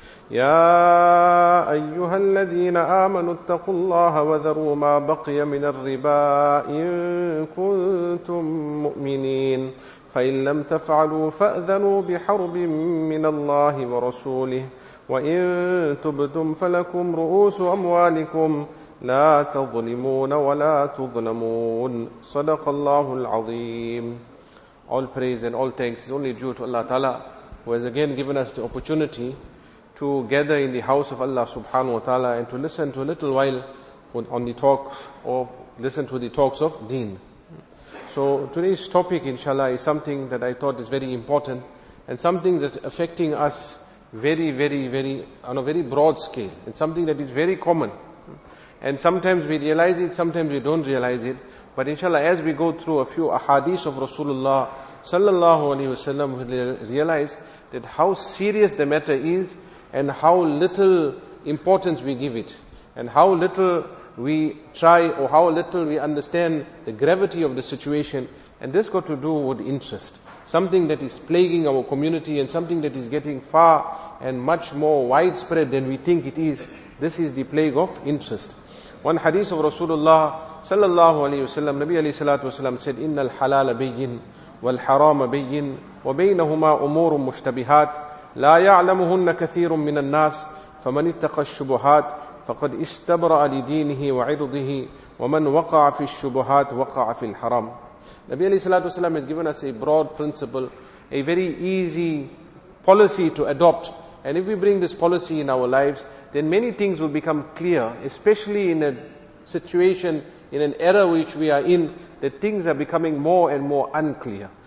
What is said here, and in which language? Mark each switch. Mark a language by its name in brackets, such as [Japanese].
[Arabic] يا أيها الذين آمنوا اتقوا الله وذروا ما بقي من الربا إن كنتم مؤمنين، فإن لم تفعلوا فأذنوا بحرب من الله ورسوله، وإن تبتم فلكم رؤوس أموالكم لا تظلمون ولا تظلمون. صدق الله العظيم. [English] All praise and all thanks is only due to Allah Ta'ala, who has again given us the opportunity to gather in the house of Allah Subhanahu wa Ta'ala and to listen to a little while on the talk or listen to the talks of Deen. So today's topic, inshallah, is something that I thought is very important and something that's affecting us very on a very broad scale, and something that is very common. And sometimes we realize it, sometimes we don't realize it. But inshallah, as we go through a few ahadith of Rasulullah sallallahu alayhi wa sallam, we realize that how serious the matter is and how little importance we give it, and how little we try or how little we understand the gravity of the situation. And this got to do with interest, something that is plaguing our community and something that is getting far and much more widespread than we think it is. This is the plague of interest. One hadith of Rasulullah sallallahu alayhi wa sallam, Nabi alayhi salatu wa sallam said, [Arabic] إِنَّ الْحَلَالَ بَيِّنَّ وَالْحَرَامَ بَيِّنَّ وَبَيْنَهُمَا أُمُورٌ مُشْتَبِهَاتٌ لَا يَعْلَمُهُنَّ كَثِيرٌ مِّنَ النَّاسِ فَمَنِ اتَّقَى الشُّبُهَاتِ فَقَدْ إِسْتَبْرَأَ لِدِينِهِ وَعِرْضِهِ وَمَنْ وَقَعَ فِي الشُّبُهَاتِ وَقَعَ فِي الْحَرَامِ. [English] Nabi alayhi salatu wa sallam has given us a broad principle, a very easy policy to adopt. And if we bring this policy in our lives, then many things will become clear, especially in a situation, in an era which we are in, that things are becoming more and more unclear.